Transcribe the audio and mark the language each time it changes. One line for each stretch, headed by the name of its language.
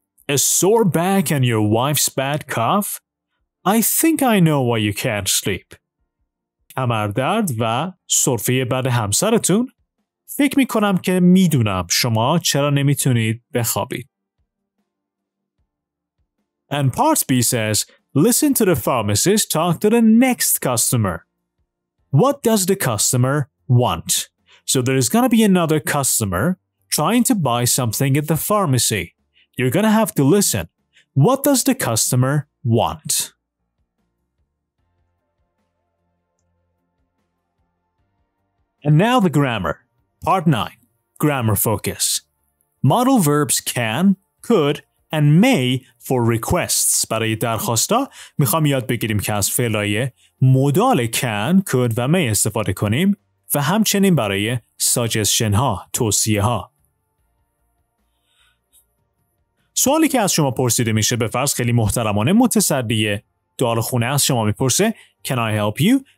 English: A sore back and your wife's bad cough? I think I know why you can't sleep.
Persian: کمردرد و سرفه بد همسرتون؟ فکر میکنم که میدونم شما چرا نمیتونید بخوابید.
English: And part B says, listen to the pharmacist talk to the next customer. What does the customer want? So there is going to be another customer trying to buy something at the pharmacy. You're going to have to listen. What does the customer want? And now the grammar. Part 9. Grammar focus. Model verbs can, could, and may for requests.
Persian: برای درخواستا میخوام یاد بگیریم که از فعلای مدال can, could و may استفاده کنیم و همچنین برای suggestion ها, توصیه ها. سوالی که از شما پرسیده میشه به فرض خیلی محترمانه متصدیه داروخونه از شما میپرسه
English: Can I help you?